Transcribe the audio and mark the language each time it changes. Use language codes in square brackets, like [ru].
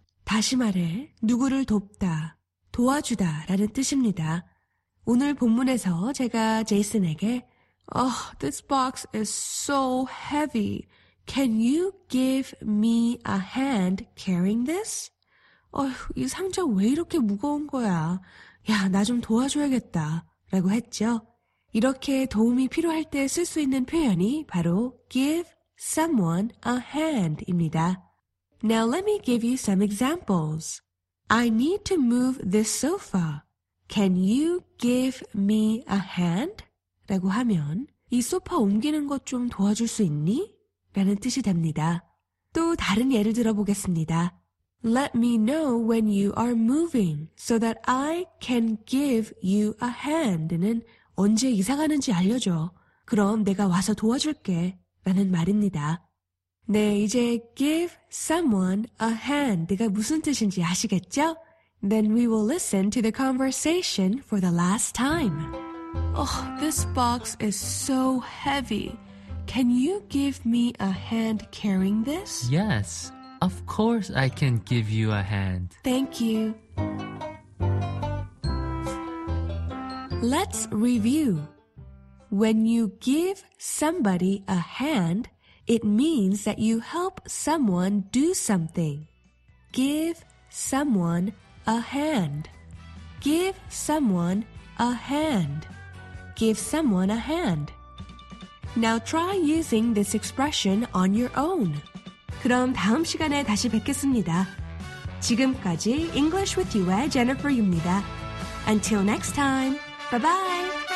[ko] 다시 말해 누구를 돕다, 도와주다 라는 뜻입니다. 오늘 본문에서 제가 제이슨에게 [en] Oh, this box is so heavy. Can you give me a hand carrying this? [ko] 이 상자 왜 이렇게 무거운 거야? 야, 나 좀 도와줘야겠다 라고 했죠. 이렇게 도움이 필요할 때 쓸 수 있는 표현이 바로 [en] give someone a hand [ko] 입니다. [en] Now let me give you some examples. I need to move this sofa. Can you give me a hand? [ko] 라고 하면 이 소파 옮기는 것 좀 도와줄 수 있니? 라는 뜻이 됩니다. 또 다른 예를 들어보겠습니다. [en] Let me know when you are moving so that I can give you a hand는 [ko] 언제 이사가는지 알려줘. 그럼 내가 와서 도와줄게. 라는 말입니다. 네, 이제 [en] give someone a hand [ko] 가 무슨 뜻인지 아시겠죠? [en] Then we will listen to the conversation for the last time. Oh, this box is so heavy. Can you give me a hand carrying this? Yes, of course I can give you a hand. Thank you. Let's review. When you give somebody a hand, it means that you help someone do something. Give someone a hand. Give someone a hand. Give someone a hand. Now try using this expression on your own. [ko] 그럼 다음 시간에 다시 뵙겠습니다. 지금까지 English with You의 Jennifer입니다. [en] Until next time. Bye-bye.